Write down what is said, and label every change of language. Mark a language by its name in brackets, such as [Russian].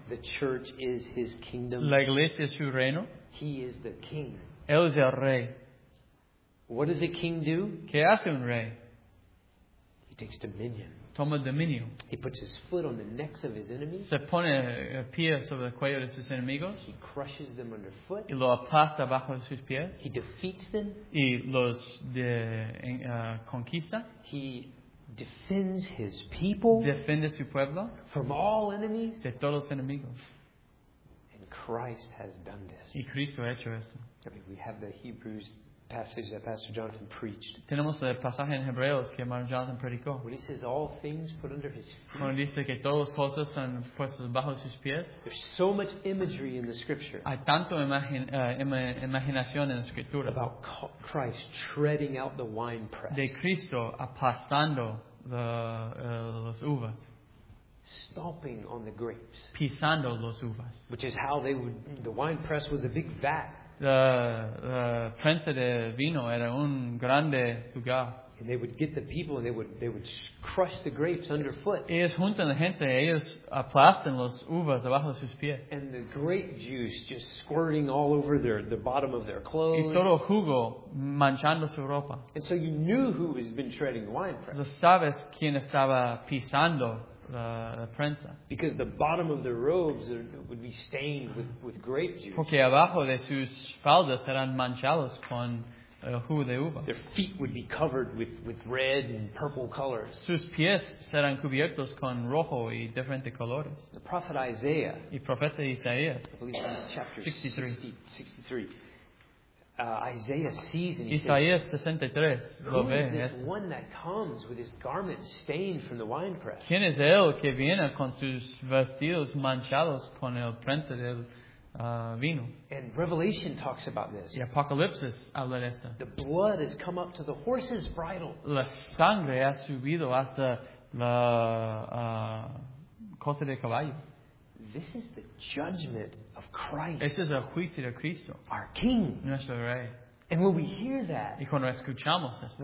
[English] The church is his kingdom. [Spanish] La iglesia es su reino. [English] He is the king. [Spanish] Él es el rey. [English] What does a king do? [Spanish] ¿Qué hace un rey? [English] He takes dominion. [Spanish] Toma dominio. [English] He puts his foot on the necks of his enemies. [Spanish] Se pone el pie sobre el cuello de sus enemigos. [English] He crushes them underfoot. [Spanish] Y lo aplasta bajo sus pies. [English] He defeats them. [Spanish] Y los conquista. [English] He defends his people. [Spanish] Defiende su pueblo. [English] From all enemies. [Spanish] De todos los enemigos. [English] And Christ has done this. [Spanish] Y Cristo ha hecho esto. [English] I mean, we have the Hebrews passage that Pastor Jonathan preached. [Spanish] Tenemos el pasaje en Hebreos que Hermano Jonathan predicó. [English] When he says all things put under his feet. [Spanish] Cuando dice que todas las cosas son puestas bajo sus pies. [English] There's so much imagery in the scripture. [Spanish] Hay tanto imaginación en la escritura. [English] About Christ treading out the wine press. [Spanish] De Cristo aplastando las uvas. [English] Stomping on the grapes. [Spanish] Pisando las uvas. [English] Which is how they would. The wine press was a big vat. [Spanish] La prensa de vino era un grande lugar. [English] And they would get the people and they would crush the grapes underfoot. [Spanish] Ellos juntan la gente, ellos aplastan las uvas debajo de sus pies. [English] And the grape juice just squirting all over the bottom of their clothes. [Spanish] Y todo jugo manchando su ropa. [English] And so you knew who has been treading the wine press. [Spanish] Sabes quién estaba pisando la prensa. [English] Because the bottom of their robes would be stained with grape juice. [Spanish] Porque abajo de sus faldas eran manchados con jugo de uva. [English] Their feet would be covered with red and purple colors. [Spanish] Sus pies serán cubiertos con rojo y diferentes colores. [English] The prophet Isaiah. [Spanish] Y profeta Isaías. [English] Chapter 63. Isaiah sees and he [Spanish] Isaías 63 [English] says, [Spanish] lo ve. [English] Who is this one that comes with his garments stained from the winepress? [Spanish] ¿Quién es él que viene con sus vestidos manchados con el prensa del vino? [English] And Revelation talks about this. [Spanish] Y Apocalipsis habla de esto. [English] The blood has come up to the horse's bridle. [Spanish] La sangre ha subido hasta la cosa de caballo. [English] This is the judgment of Christ. [Spanish] Este es el juicio de Cristo. [English] Our King. [Spanish] Nuestro Rey. [English] And when we hear that, [Spanish] y cuando escuchamos esto,